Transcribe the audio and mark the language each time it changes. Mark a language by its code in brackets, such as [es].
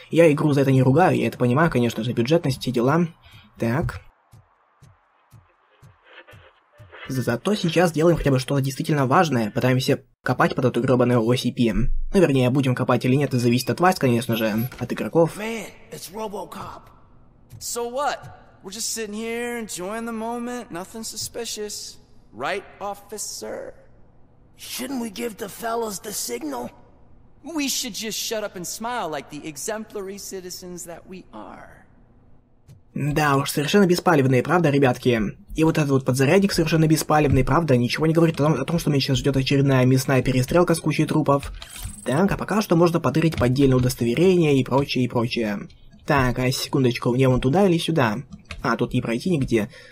[ru] Я игру за это не ругаю, я это понимаю, конечно же, бюджетность, все дела. Так. Зато сейчас делаем хотя бы что-то действительно важное. Пытаемся копать под эту гребаную OCP. Ну, вернее, будем копать или нет, это зависит от вас, конечно же, от игроков. [en] Man, it's RoboCop. So what? We're just sitting here, enjoying the moment, nothing suspicious. Right, officer? Shouldn't we give the fellas the signal? We should just shut up and smile like the exemplary citizens that we are. [ru] Да уж, совершенно беспалевные, правда, ребятки? И вот этот вот подзарядник совершенно беспалевный, правда, ничего не говорит о том, что меня сейчас ждет очередная мясная перестрелка с кучей трупов. Так, а пока что можно подырить поддельное удостоверение и прочее, и прочее. Так, а секундочку, мне вон туда или сюда? А, тут не пройти нигде.